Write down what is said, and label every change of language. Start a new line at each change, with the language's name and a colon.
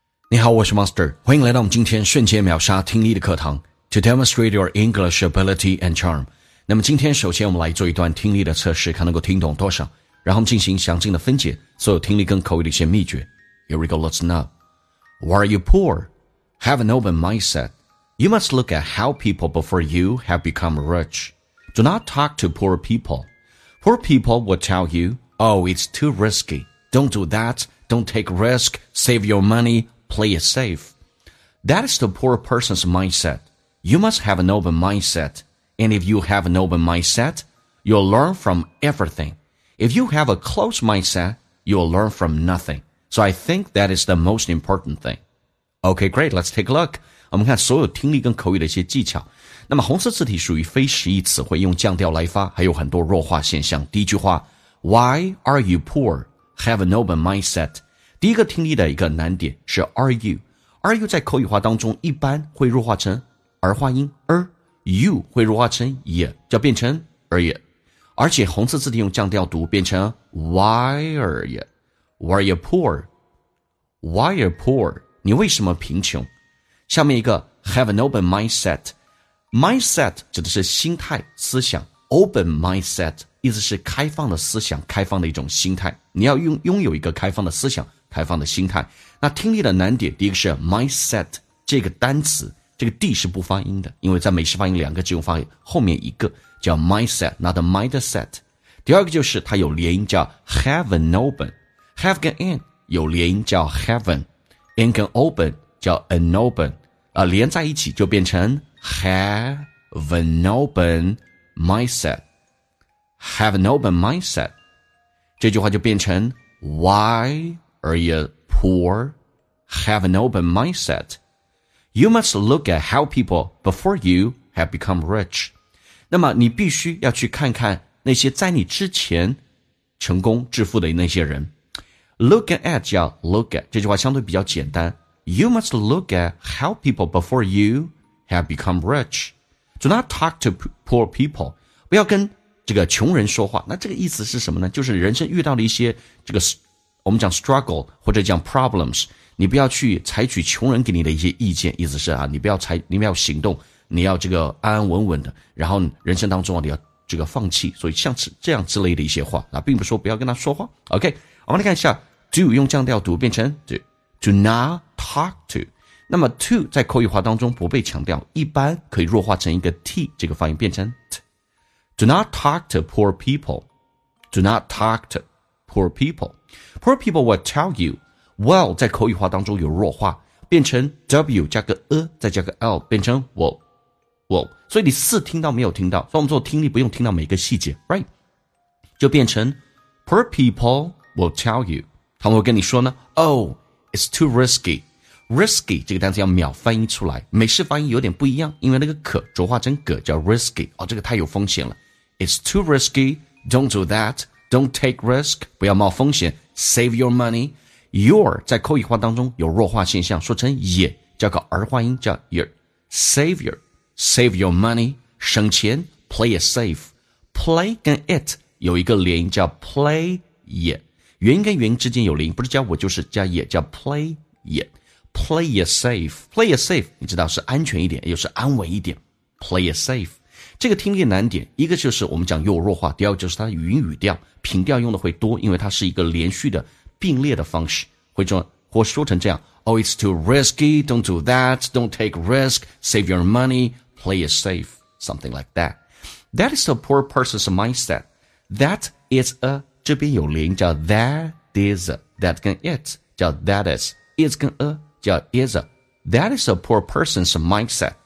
Chinese: 你好，我是 Master， 欢迎来到我们今天瞬间秒杀听力的课堂
English: To demonstrate your English ability and charm。
Chinese: 那么今天首先我们来做一段听力的测试，看能够听懂多少，然后我们进行详尽的分解所有听力跟口语的一些秘诀。
English: Here we go, listen up. Why are you poor? Have an open mindset. You must look at how people before you have become rich. Do not talk to poor people. Poor people will tell you, Oh, it's too risky. Don't do that. Don't take risk. Save your moneyPlay it safe. That is the poor person's mindset. You must have an open mindset. And if you have an open mindset, you'll learn from everything. If you have a closed mindset, you'll learn from nothing. So I think that is the most important thing. Okay, great. Let's take a look.
Chinese: 我们看所有听力跟口语的一些技巧。那么红色字体属于非实义词汇，用降调来发，还有很多弱化现象。第一句话
English: Why are you poor? Have an open mindset.
Chinese: 第一个听力的一个难点是 are you， are you 在口语化当中一般会弱化成儿化音，而 you 会弱化成也，就变成 are you， 而且红色字体用降调读变成 why are you， why are you poor， why are you poor， 你为什么贫穷。下面一个 have an open mindset， mindset 指的是心态思想， open mindset 意思是开放的思想，开放的一种心态，你要拥有一个开放的思想，开放的心态。那听力的难点，第一个是 mindset 这个单词，这个 D 是不发音的，因为在美式发音两个只用发音后面一个叫 mindset， not a mindset。第二个就是它有连音叫 have an open， have 跟 an 有连音叫 heaven， an 跟 open 叫 an open， 连在一起就变成 have an open mindset， have an open mindset， 这句话就变成
English: whyAre you poor? Have an open mindset. You must look at how people before you have become rich.
Chinese: 那么你必须要去看看那些在你之前成功致富的那些人。 Look at 叫 look at， 这句话相对比较简单。
English: You must look at how people before you have become rich. Do not talk to poor people.
Chinese: 不要跟这个穷人说话。那这个意思是什么呢？就是人生遇到了一些这个我们讲 struggle 或者讲 problems， 你不要去采取穷人给你的一些意见，意思是啊，你不要行动，你要这个安安稳稳的，然后人生当中啊，你要这个放弃，所以像这样之类的一些话啊，并不是说不要跟他说话。 OK， 我们来看一下 do 用降调读变成 do not talk to， 那么 to 在口语化当中不被强调，一般可以弱化成一个 t 这个发音变成 t，
English: do not talk to poor people，
Chinese: do not talk to poor people。
English: Poor people will tell you,
Chinese: well, 在口语化当中有弱化，变成 W 加个 A 再加个 L 变成 well, 所以你似听到没有听到，所以我们做听力不用听到每一个细节， right?
English: 就变成 Poor people will tell you,
Chinese: 他们会跟你说呢，
English: Oh, it's too risky.
Chinese: Risky 这个单词要秒翻译出来，美式发音有点不一样，因为那个可浊化成个叫 risky, 哦，这个太有风险了。
English: It's too risky, don't do that. Don't take risk,
Chinese: 不要冒风险。
English: Save your money.
Chinese: Your 在口语化当中有弱化现象，说成也叫个儿化音叫 your.
English: Save your money,
Chinese: 省钱。
English: Play it safe.
Chinese: Play 跟 it 有一个连音叫 play it. 元音跟元音之间有连音，不是加我就是加也，叫 play it.
English: Play it safe. Play it safe,
Chinese: 你知道是安全一点，又是安稳一点。Play it safe. 这个听力难点，一个就是我们讲又弱化，第二个就是它的语音语调平调用的会多，因为它是一个连续的并列的方式，会说或说成这样
English: Oh, it's too risky, don't do that, don't take risk, save your money, play it safe, something like that. That is a poor person's mindset. That is a,
Chinese: 这边有连叫
English: that is a, that 跟 it 叫 that is 跟 a 叫 is a. That is a poor person's mindset.